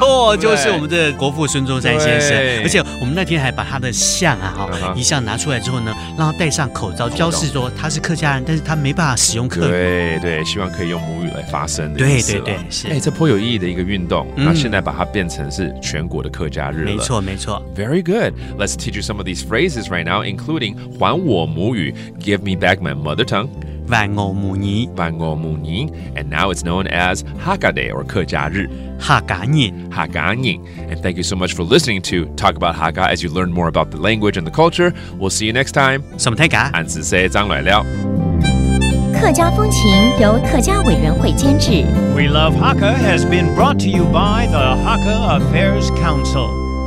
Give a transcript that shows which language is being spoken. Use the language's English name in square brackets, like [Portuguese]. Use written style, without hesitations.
[Chinese] 没错，就是我们的国父孙中山先生。而且我们那天还把他的像啊，遗像拿出来之后呢，让他戴上口罩，标示说他是客家人，但是他没办法使用客语。对对，希望可以用母语来发声的意思。对对对，是。这颇有意义的一个运动，那现在把它变成是全国的客家日了。没错没错。 [English] Very good. Let's teach you some of these phrases right now, including [Chinese] 还我母语。 [English] Give me back my mother tongue. [Chinese] 还我母语。还我母语。 [English] And now it's known as Hakka Day or [Chinese] 客家日。 Hakka 日。 Hakka 日。 [English] And thank you so much for listening to Talk About Hakka as you learn more about the language and the culture. We'll see you next time. 什么天嘎？俺是谁？张磊了。 [Chinese] 客家风情由客家委员会监制。 [English] We Love Hakka has been brought to you by the Hakka Affairs Council.